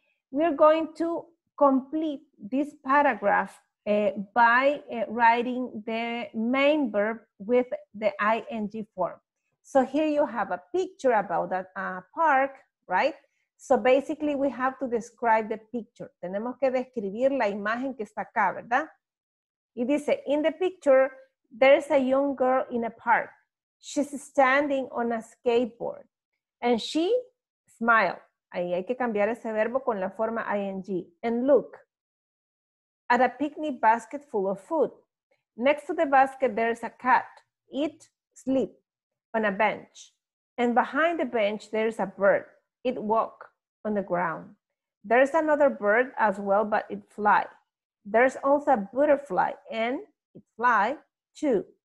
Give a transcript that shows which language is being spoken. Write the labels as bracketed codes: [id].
[en] We're going to complete this paragraph by writing the main verb with the ing form. So here you have a picture about that park, right? So basically we have to describe the picture. [es] Tenemos que describir la imagen que está acá, ¿verdad? Y dice, [en] in the picture, there's a young girl in a park. She's standing on a skateboard and she smiled. [es] Ahí hay que cambiar ese verbo con la forma ing. [en] And look, at a picnic basket full of food. Next to the basket, there's a cat. It sleeps on a bench. And behind the bench, there's a bird. It walks on the ground. There's another bird as well, but it flies. There's also a butterfly and it flies too.